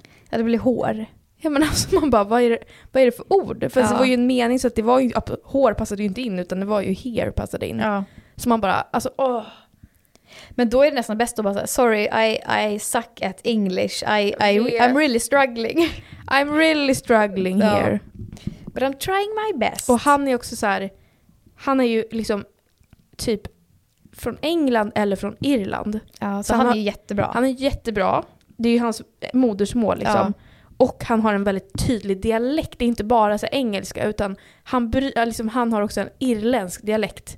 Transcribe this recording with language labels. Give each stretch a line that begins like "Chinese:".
Swedish: Ja, det blir hår. Ja, men alltså man bara, vad är det för ord? För det var ju en mening, så att det var ju, hår passade ju inte in, utan det var ju hair passade in. Ja. Så man bara, alltså, åh. Men då är det nästan bäst att bara säga,
English: sorry, I suck at English. I'm really struggling. I'm really struggling here. But I'm trying my best.
Swedish: Och han är också så här, han är ju liksom... typ från England eller från Irland. Ja, så han är ju jättebra. Han är jättebra. Det är ju hans modersmål liksom. Ja. Och han har en väldigt tydlig dialekt. Det är inte bara så engelska, utan han har också en irländsk dialekt.